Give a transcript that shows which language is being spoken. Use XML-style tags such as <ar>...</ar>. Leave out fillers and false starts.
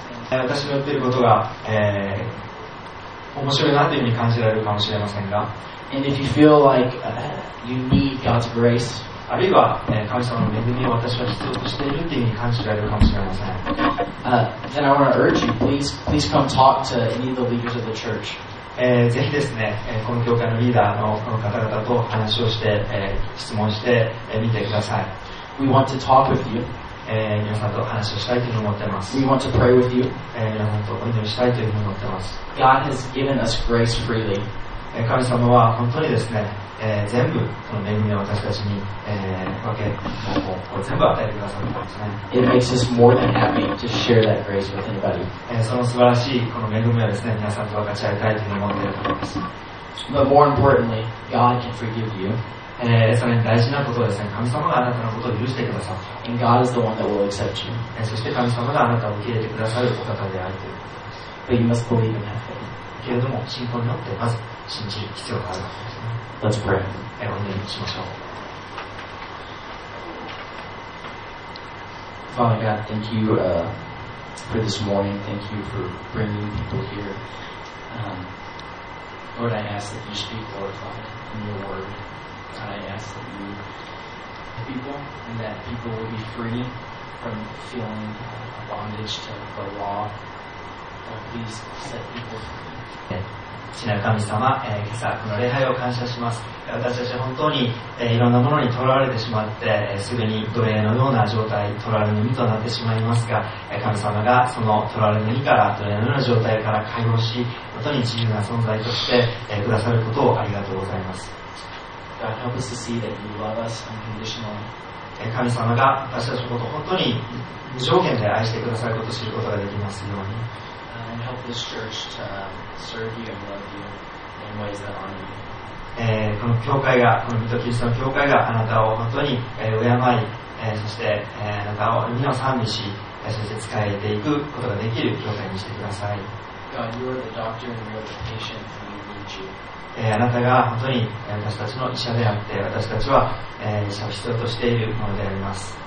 <ja>私の言っていることが、面白いなというふうに感じられるかもしれませんが、</ja> <en>And if you feel like, you need God's grace,</en> <ja>あるいは、神様の恵みを私は必要としているというふうに感じられるかもしれません。</ja> <en>Then I want to urge you, please, please come talk to any of the leaders of the church.</en> <ja>ぜひですね、この教会のリーダーのこの方々と話をして、質問してみてください。</ja> <en>We want to talk with you.</en> <ja>皆さんと話をしたいというふうに思っています。</ja> <en>We want to pray with you.</en> <ja>皆さんとお祈りしたいというふうに思っています。</ja> <en>God has given us grace freely.</en> <ja>神様は本当にですね、全部この恵みを私たちに、分け、こう全部与えてくださったんですね。</ja> <en>It makes us more than happy to share that grace with anybody.</en> <ja>その素晴らしいこの恵みをですね、皆さんと分かち合いたいというふうに思っているからです。</ja> <en>But more importantly, God can forgive you.</en> <ja>さらに大事なことはですね、神様があなたのことを許してくださった。</ja> <en>And God is the one that will accept you.</en> <ja>そして神様があなたを受け入れてくださるお方であるということです。</ja> <en>But you must believe in that.</en> <ja>けれども、信仰によってまず信じる必要があるわけですね。</ja> <en>Let's pray.</en> <ja>お祈りしましょう。</ja> <en>Father God, thank you, for this morning. Thank you for bringing people here. Lord, I ask that you speak, Lord, in your word. God, I ask that you help people and that people will be free from feeling a bondage to the law. Lord, please set people free.</en> <ja>父なる神様、今朝この礼拝を感謝します。私たちは本当に、いろんなものに囚われてしまって、すぐに奴隷のような状態、囚われの身となってしまいますが、神様がその囚われの身から、奴隷のような状態から解放し、本当に自由な存在として、くださることをありがとうございます。</ja> <en>God, help us to see that you love us unconditionally.</en> <ja>神様が私たちのことを本当に無条件で愛してくださることを知ることができますように。</ja> <en>And help this church to serve you and love you in ways that honor you.</en> <ja>この教会が、このミトキリストの教会があなたを本当に敬い、そしてあなたを皆を賛美し、そして仕えていくことができる教会にしてください。</ja> <en>God, you are the doctor and you are the patient and we need you.</en> <ja>あなたが本当に私たちの医者であって私たちは医者を必要としているものであります。</ja>